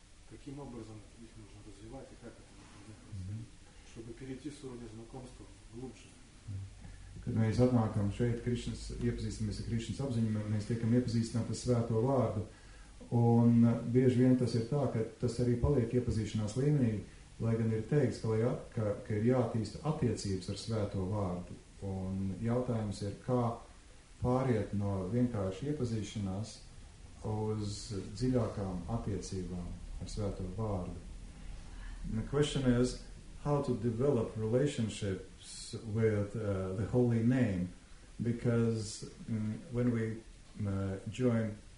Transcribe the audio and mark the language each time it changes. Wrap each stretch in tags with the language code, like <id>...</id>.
<ru>Каким образом их нужно развивать и как это нужно делать? Mm-hmm. Чтобы перейти с уровня знакомства глубже.</ru> <lv>Kad mēs atnākam šeit, iepazīstamies ar Krišnas apziņu, mēs tiekam iepazīstināt ar svēto vārdu. Un bieži vien tas ir tā, ka tas arī paliek iepazīšanās līmenī, lai gan ir teikts, ka ir jātīsta attiecības ar svēto vārdu. Un jautājums ir, kā pāriet no vienkārši iepazīšanās uz dziļākām attiecībām ar svēto vārdu.</lv> <en>The question is, how to develop relationship with the holy name, because when we join</en>